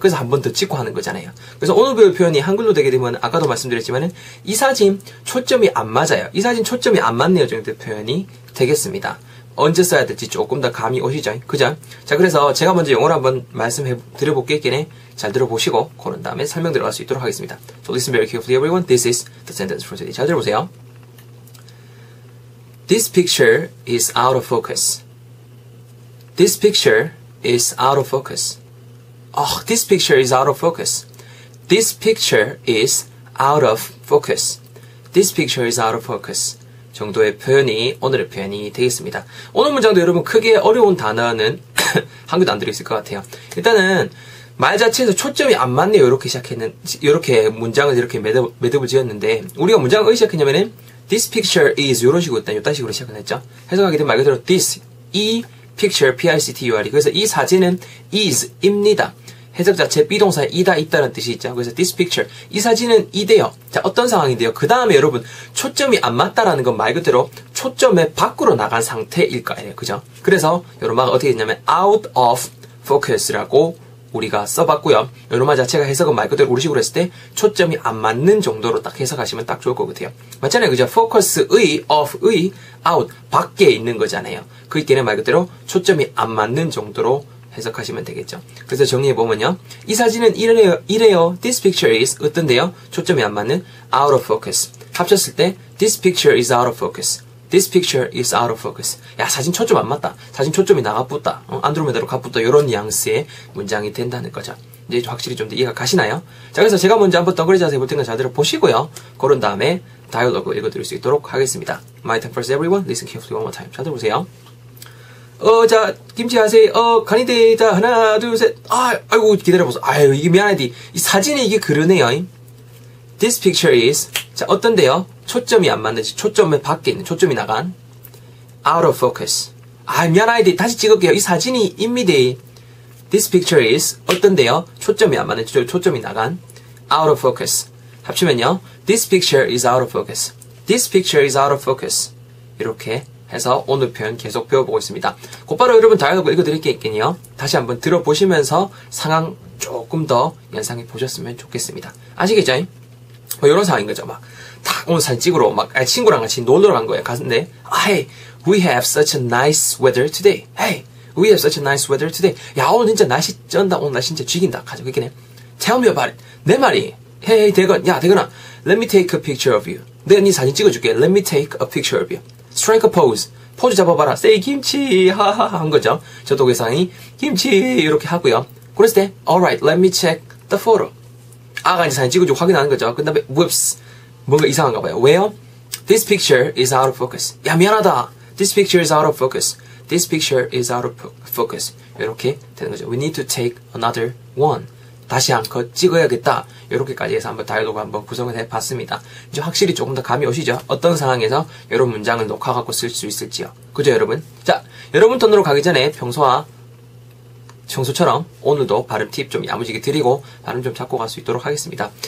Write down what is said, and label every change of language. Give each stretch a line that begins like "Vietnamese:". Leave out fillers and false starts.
Korean: 그래서 한 번 더 찍고 하는 거잖아요. 그래서 오늘 배울 표현이 한글로 되게 되면 아까도 말씀드렸지만은 이 사진 초점이 안 맞아요. 이 사진 초점이 안 맞네요 정도의 표현이 되겠습니다. 언제 써야 될지 조금 더 감이 오시죠. 그죠? 자, 그래서 제가 먼저 영어로 한번 말씀해 드려볼게요. 이게 잘 들어보시고 그런 다음에 설명 들어갈 수 있도록 하겠습니다.
English: So listen very carefully everyone. This is the sentence for today.
Korean: 잘 들어보세요.
English: This picture is out of focus. This picture is out of focus. Oh, this picture is out of focus. This picture is out of focus. This picture is out of focus.
Korean: 정도의 표현이 오늘의 표현이 되겠습니다. 오늘 문장도 여러분 크게 어려운 단어는 한 글도 안 들어있을 것 같아요. 일단은 말 자체에서 초점이 안 맞네요. 이렇게 시작했는 이렇게 문장을 이렇게 매듭을 지었는데 우리가 문장을 어디 시작했냐면은
English: This picture is
Korean: 이런 식으로 일단 이딴 식으로 시작을 했죠. 해석하게 되면 말 그대로 this, 이 picture, picture. 그래서 이 사진은 is입니다. 해석 자체 비동사에 이다 있다는 뜻이 있죠. 그래서 this picture, 이 사진은 이대요. 자, 어떤 상황인데요. 그 다음에 여러분 초점이 안 맞다라는 건 말 그대로 초점에 밖으로 나간 상태일 거 아니에요. 그죠? 그래서 여러분 말 어떻게 했냐면
English: out of focus
Korean: 라고 우리가 써봤고요. 여러분 말 자체가 해석은 말 그대로 우리 식으로 했을 때 초점이 안 맞는 정도로 딱 해석하시면 딱 좋을 것 같아요. 맞잖아요. 그죠? focus의, of의, out, 밖에 있는 거잖아요. 그 있기는 말 그대로 초점이 안 맞는 정도로 해석하시면 되겠죠. 그래서 정리해보면요. 이 사진은 이래요.
English: This picture is
Korean: 어떤데요? 초점이 안 맞는
English: out of focus.
Korean: 합쳤을 때
English: This picture is out of focus. This picture is out of focus.
Korean: 야, 사진 초점 안 맞다. 사진 초점이 나가붙다. 안드로메다로 가붙다. 요런 뉘앙스의 문장이 된다는 거죠. 이제 확실히 좀 더 이해가 가시나요? 자, 그래서 제가 먼저 한번 덩그리 자세히 볼 텐가 자세히 보시고요. 그런 다음에 다이얼로그 읽어드릴 수 있도록 하겠습니다.
English: My time first everyone. Listen carefully one more time.
Korean: 자, 들어보세요. 자, 김치 하세요. 간이대. 자, 하나, 둘, 셋. 아이고, 기다려보소. 아유, 이게 미안해. 이 사진이 이게 그러네요.
English: This picture is.
Korean: 자, 어떤데요? 초점이 안 맞는지, 초점에 밖에 있는, 초점이 나간.
English: Out of focus.
Korean: 아, 미안해. 다시 찍을게요. 이 사진이 입니다.
English: This picture is.
Korean: 어떤데요? 초점이 안 맞는지, 초점이 나간.
English: Out of focus.
Korean: 합치면요.
English: This picture is out of focus. This picture is out of focus.
Korean: 이렇게. 해서 오늘 표현 계속 배워보고 있습니다. 곧바로 여러분 다이어로그 읽어드릴 게 있겠네요. 다시 한번 들어보시면서 상황 조금 더 연상해 보셨으면 좋겠습니다. 아시겠죠? 뭐 이런 상황인 거죠. 막 딱 오늘 사진 찍으러 막 친구랑 같이 놀러 간 거예요. 갔는데
English: Hey, we have such a nice weather today. Hey, we have such a nice weather today.
Korean: 야, 오늘 진짜 날씨 쩐다. 오늘 날씨 진짜 죽인다. 가자, 그렇게 해.
English: Tell me about it.
Korean: 내 말이. Hey, 대건. 야, 대건아.
English: Let me take a picture of you.
Korean: 내가 네 사진 찍어줄게. Let me take a picture of you.
English: Strike a pose.
Korean: 포즈 잡아봐라. Say 김치. 하하하 한 거죠. 저도 그 상황이 김치 이렇게 하고요. 그랬을 때
English: Alright, let me check the photo.
Korean: 아가 이제 사진 찍어주고 확인하는 거죠. 그 다음에
English: Whoops.
Korean: 뭔가 이상한가 봐요. 왜요?
English: This picture is out of focus.
Korean: 야, 미안하다.
English: This picture is out of focus. This picture is out of focus.
Korean: 이렇게 되는 거죠.
English: We need to take another one.
Korean: 다시 한 컷 찍어야겠다. 이렇게까지 해서 한번 다이로그 한번 구성을 해봤습니다. 이제 확실히 조금 더 감이 오시죠? 어떤 상황에서 이런 문장을 녹화하고 쓸 수 있을지요. 그죠, 여러분? 자, 여러분 톤으로 가기 전에 평소와 청소처럼 오늘도 발음 팁 좀 야무지게 드리고 발음 좀 잡고 갈 수 있도록 하겠습니다.